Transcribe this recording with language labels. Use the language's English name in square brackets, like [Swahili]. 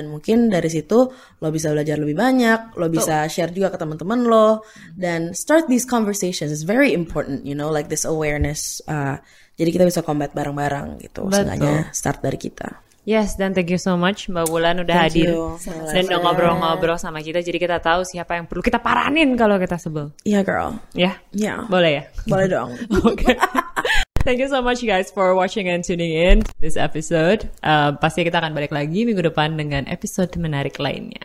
[Indonesian] Dan mungkin dari situ lo bisa belajar lebih banyak, lo bisa share juga ke teman-teman lo, dan [English] start these conversations. It's very important, you know, like this awareness. [Indonesian] Jadi kita bisa combat bareng-bareng gitu. Seenggaknya start dari kita. [English] Yes, [Indonesian] dan [English] thank you so much [Indonesian] Mbak Wulan udah hadir. Dan udah ngobrol-ngobrol sama kita. Jadi kita tahu siapa yang perlu kita paranin kalau kita sebel. Iya, [English] girl. Yeah. [Indonesian] Boleh ya? Boleh dong. Oke. [English] Thank you so much guys for watching and tuning in this episode. [Indonesian] Pasti kita akan balik lagi minggu depan dengan episode menarik lainnya.